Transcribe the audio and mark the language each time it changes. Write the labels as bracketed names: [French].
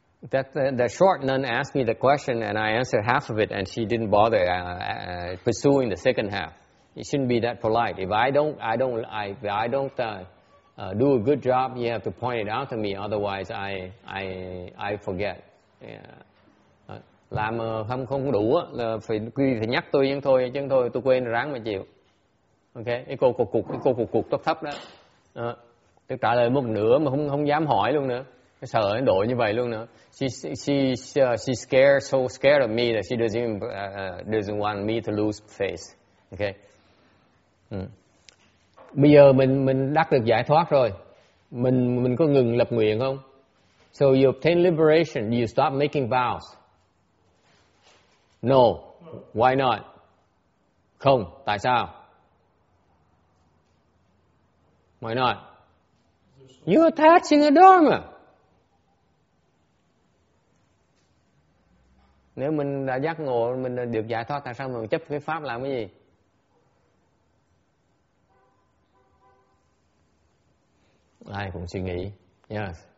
[English] The short nun asked me the question and I answered half of it and she didn't bother pursuing the second half. It shouldn't be that polite. If I don't do a good job, you have to point it out to me, otherwise I forget. Yeah. [Vietnamese] Làm không đủ là phải nhắc tôi chứ thôi tôi quên ráng mà chịu. Okay, cái cục tóc thấp đó. Tôi trả lời một nửa mà không dám hỏi luôn nữa. Sợ Ấn Độ như vậy luôn nữa. [English] She scared, so scared of me that she doesn't want me to lose face. Okay. [Vietnamese] Bây giờ mình đắc được giải thoát rồi, mình có ngừng lập nguyện không? [English] So you obtain liberation, you stop making vows. No. Why not? [Vietnamese] Không. Tại sao? [English] Why not? You're attaching a dharma. [Vietnamese] Nếu mình đã giác ngộ, mình đã được giải thoát, tại sao mình chấp cái pháp làm cái gì? Ai cũng suy nghĩ. Yes.